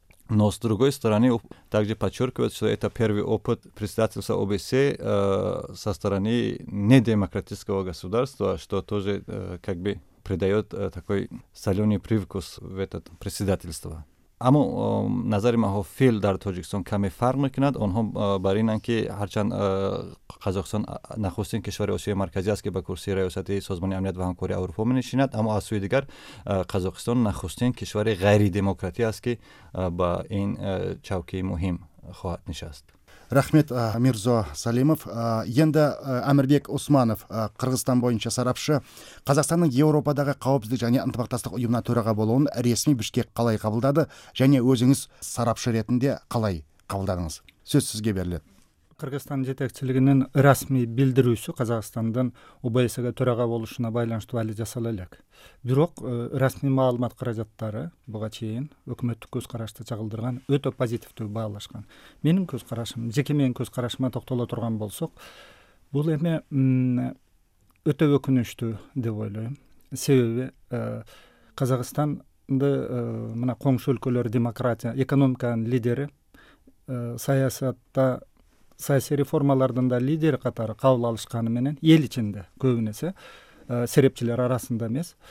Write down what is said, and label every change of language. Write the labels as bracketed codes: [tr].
[ru] Но с другой стороны, также подчеркивают, что это первый опыт председательства ОБСЕ со стороны недемократического государства, что тоже как бы придает такой соленый привкус в это председательство. [tg] Аму назари маҳо фил дар Тоҷикистон каме фарқ мекунад. Онҳо бар инанд ки ҳарчанд Қазоқистон нахустин кишвари Осиёи марказӣ аст ки ба курсии раёсати Созмони амният ва ҳамкори Аврупо менишинад, аммо аз сӯи дигар Қазоқистон нахустин кишвари ғайридемократӣ аст ки ба ин чавкии муҳим хоҳад нишаст. [kk] Рахмет, Мирзо Салимов. Енді Амирбек Усманов, Қырғызстан бойынша сарапшы, Қазақстанның Еуропадағы қауіпсіздік және ынтымақтастық ұйымына төраға болуын ресми Бішкек қалай қабылдады және өзіңіз сарапшы ретінде қалай қабылдадыңыз? Сөз сізге беріледі. Қырғызстан жетекшілігінің ресми білдіруісі Қазақстанның ОБСЕ-ге төраға болушына байланысты әлі жасала элек. [ky] Бирок ресми маалымат каражаттары буга чейин өкмөттүк көз карашты чагылдырган өтө позитивдүү баалашкан. Менин көз карашым, жеке менин көз карашыма токтоло турган болсок, бул эми өтө өкүнүчтүү деп ойлойм. Себеби Казакстанды мына коңшу өлкөлөр демократия, экономиканын лидери, саясатта саясий реформалардын да лидери катары кабыл алышканы менен эл ичинде көбүнесе серепчилер арасында эмес.